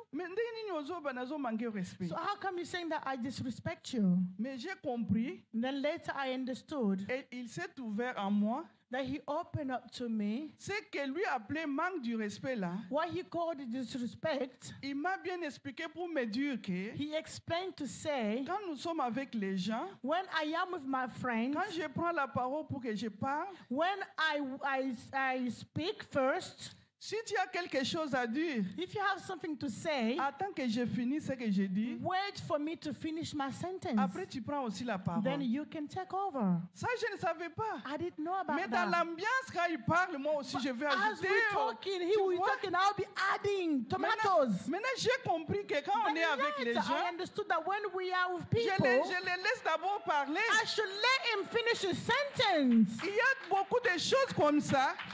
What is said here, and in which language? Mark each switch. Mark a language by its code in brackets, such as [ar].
[fr] Mais dès qu'il y a un ben, on manque de respect. [en] So how come you saying that I disrespect you? [fr] Mais j'ai compris. [en] And then later I understood. [fr] Et il s'est ouvert à moi. [en] that he opened up to me. [fr] Ce que lui appelait manque du respect là. [en] What he called disrespect. [fr] Il m'a bien expliqué pour me dire que. [en] He explained to say. [fr] Quand nous sommes avec les gens. [en] When I am with my friends. [fr] Quand je prends la parole pour que je parle. [en] When I speak first. [fr] Si tu as quelque chose à dire. [en] If you have something to say. [fr] Attends que je finisse ce que j'ai dit. [en] Wait for me to finish my sentence. [fr] Après tu prends aussi la parole. [en] Then you can take over. [fr] Ça je ne savais pas. [en] I didn't know about that. [fr] Mais dans [en] that. [fr] L'ambiance quand il parle moi aussi [en] but [fr] je vais ajouter. [en] As we talking, he will be talking, I'll be adding tomatoes. [fr] Maintenant j'ai compris que quand [en] but [fr] on est avec les gens. [en] I understood that when we are with people. [fr] Je les laisse d'abord parler. [en] I should let him finish his sentence. [fr] Il y a beaucoup de choses comme ça.